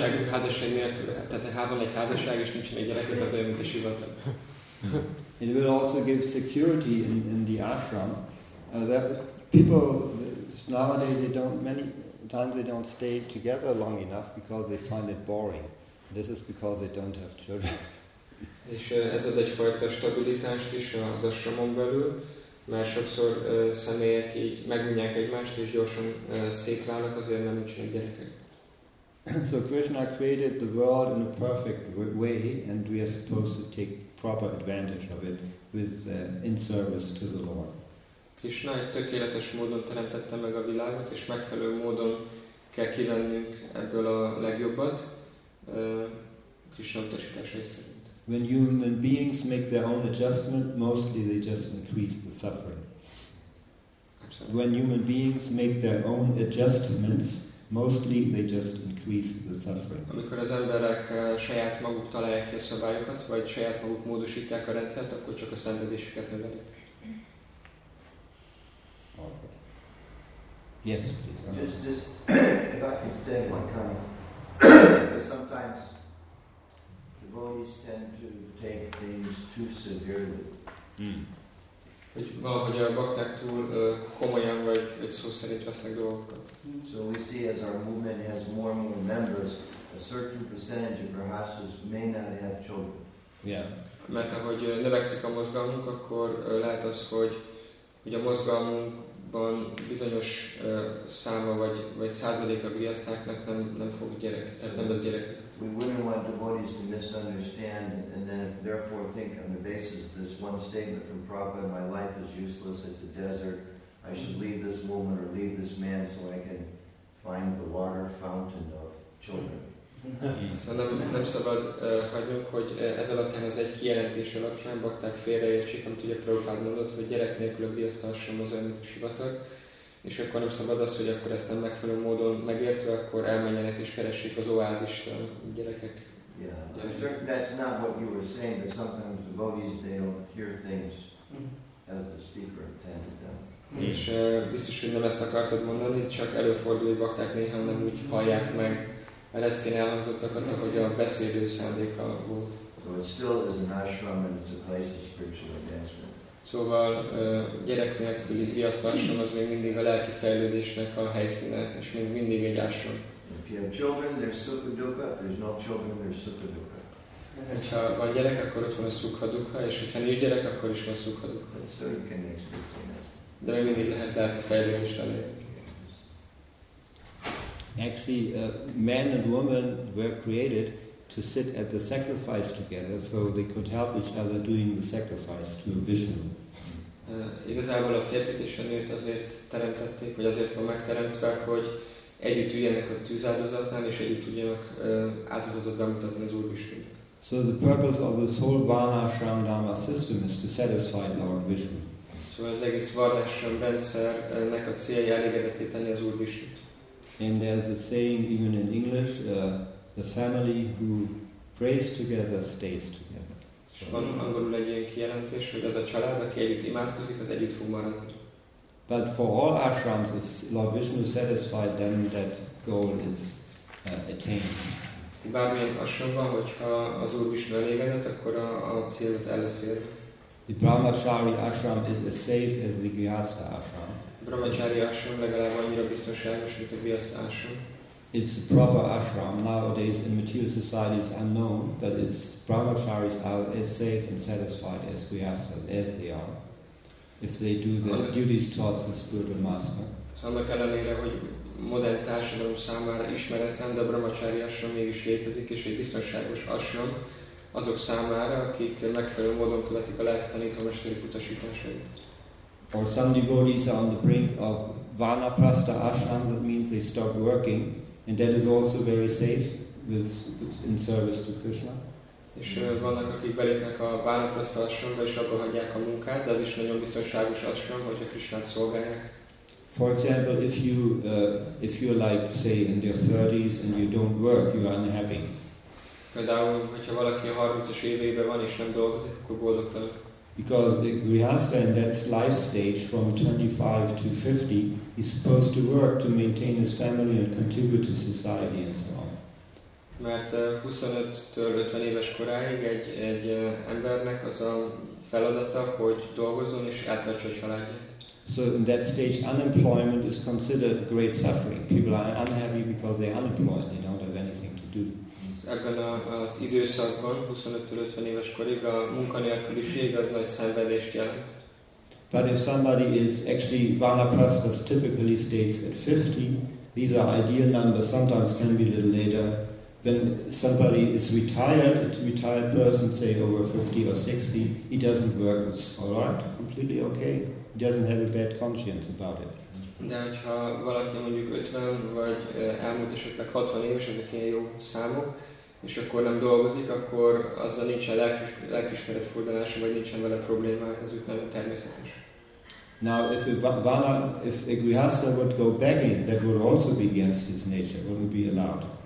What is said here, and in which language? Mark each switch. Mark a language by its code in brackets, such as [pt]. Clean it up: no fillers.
[hu] házasság nélkül, tehát ha van egy házasság, és nincs egy gyerekek, az olyan, mint egy sivatag. [en] It will also give security in the ashram. That people nowadays many times they don't stay together long enough because they find it boring. This is because they don't have children. [hu] És ez ad egyfajta stabilitást is az ashramon belül, mert sokszor személyek így megunják egymást és gyorsan szétválnak azért, mert nincsenek gyerekek. [en] So Krishna created the world in a perfect way, and we are supposed to take proper advantage of it with in service to the Lord. [hu] Krishna egy tökéletes módon teremtette meg a világot, és megfelelő módon kell kivennünk ebből a legjobbat Krishna utasításai szerint. [en] When human beings make their own adjustment, mostly they just increase the suffering. When human beings make their own adjustments, mostly they just increase the suffering. [hu] Amikor az emberek saját maguk találják ki a szabályokat, vagy saját maguk módosítják a rendszert, akkor csak a szenvedésüket növelik. [en] Okay. Yes, please. Just if I could say one comment. Sometimes devotees tend to take things too severely. [hu] Hogy valahogy a bakták túl komolyan vagy egy szó szerint vesznek dolgokat. [en] So we see as our movement has more and more members, a certain percentage of grahasas may not have children. Yeah. [hu] Mert ahogy növekszik a mozgalmunk, akkor lehet az, hogy ugye a mozgalmunkban bizonyos száma vagy századék a grihasztáknak nem fog gyerek, tehát nem lesz gyerek. [en] We wouldn't want devotees to misunderstand and then therefore think on the basis of this one statement from Prabhupada, my life is useless, it's a desert, I should leave this woman or leave this man so I can find the water fountain of children. [hu] Szóval nem szabad hagynunk, hogy ez alapján, az egy kijelentés alapján bakták félreértsék, amit ugye Prabhupada mondott, hogy gyerek nélkül a vihasztalsom az olyan, mint a sivatag. És akkor nem szabad az, hogy akkor ezt nem megfelelő módon megértve, akkor elmenjenek és keressék az oázist a gyerekek. [en] Yeah, I'm sure that's not what you were saying, but sometimes devotees, they don't hear things as the speaker intended them. [hu] És biztos, hogy nem ezt akartad mondani, csak előfordul, hogy bakták néha nem úgy hallják meg a leckén elhangzottakat, ahogy a beszélő szándéka volt. [en] So it still is an ashram and it's a place of spiritual advancement. [hu] Szóval gyereknek egy vihasztalsom az még mindig a lelki fejlődésnek a helyszíne, és még mindig egy ásrom. [en] If you have children, there's sukha dukha. If there's no children, there's sukha dukha. [hu] Hogyha van gyerek, akkor ott van a sukha dukha, és hogyha nincs gyerek, akkor is van sukha dukha. [en] So you can experience. [hu] De még mindig lehet lelki fejlődést tanulni. [en] Actually, man and woman were created to sit at the sacrifice together, so they could help each other doing the sacrifice to Vishnu. [hu] Igazából a férfit és a nőt azért teremtették, vagy azért van megteremtve, hogy együtt üljenek a tűzáldozatnál, és együtt tudjanak áldozatot bemutatni az Úr Vishnunak. [en] So the purpose of this whole Varnashram Dharma system is to satisfy Lord Vishnu. [hu] Szóval az egész Varnashram rendszernek a célja elégedetté tenni az Úr Vishnut. [en] And there's a saying even in English, the family who prays together stays together. [hu] Van angolul egy ilyen kijelentés, hogy ez a család, aki együtt imádkozik, az együtt fog maradni. [en] But for all ashrams, if Lord Vishnu satisfied them, that goal is attained. [hu] Bármilyen ashramban, hogyha az Úr Vishnu elégedett, akkor a cél az elszér. [en] The Brahmachari ashram is as safe as the Grihastha ashram. [hu] Brahmachari ashram legalább annyira biztonságos, mint a Grihastha ashram. [en] It's a proper ashram. Nowadays in material society it's unknown, but its brahmacharis are as safe and satisfied as grihasthas, as they are, if they do the duties towards the spiritual master. [hu] Annak ellenére, hogy modern társadalom számára ismeretlen, de a brahmachari ashram mégis létezik, és egy biztonságos ashram azok számára, akik megfelelő módon követik a lelki tanítómesterük utasításait. [en] Or some devotees are on the brink of vanaprastha ashram, that means they stop working, and that is also very safe with in service to Krishna. [hu] És vannak, akik belépnek a vanaprastha ashramba, és abba hagyják a munkát, de az is nagyon biztonságos ashram, hogy a Krishnát szolgálják. [en] For example, if you like say in your 30s and you don't work, you are unhappy. [hu] Például, hogyha valaki a 30-as éveiben van és nem dolgozik, akkor boldogtalan. [en] Because the grihastha in that life stage from 25 to 50 is supposed to work to maintain his family and contribute to society and so on. [hu] Mert 25-től 50 éves koráig egy embernek az a feladata, hogy dolgozzon és eltartsa a családját. [en] So in that stage unemployment is considered great suffering. People are unhappy because they are unemployed, they don't have anything to do. [hu] Ebben az időszakban, 25-től 50 éves korig, a munkanélküliség az nagy szenvedést jelent. [en] But if somebody is actually vanaprastha typically states at 50, these are ideal numbers, sometimes can be a little later. When somebody is retired, a retired person, say over 50 or 60, he doesn't work, it's all right, completely okay. He doesn't have a bad conscience about it. [hu] De hogyha valaki mondjuk 50 vagy elmúlt esetleg 60 éves, ezek ilyen jó számok, és akkor nem dolgozik, akkor azzal nincsen lelkismeret furdalása, vagy nincsen vele problémája, ez úgy nagyon természetes. [en] Now, if Vana, if a grihastha would go begging, that would also be against his nature, wouldn't be allowed.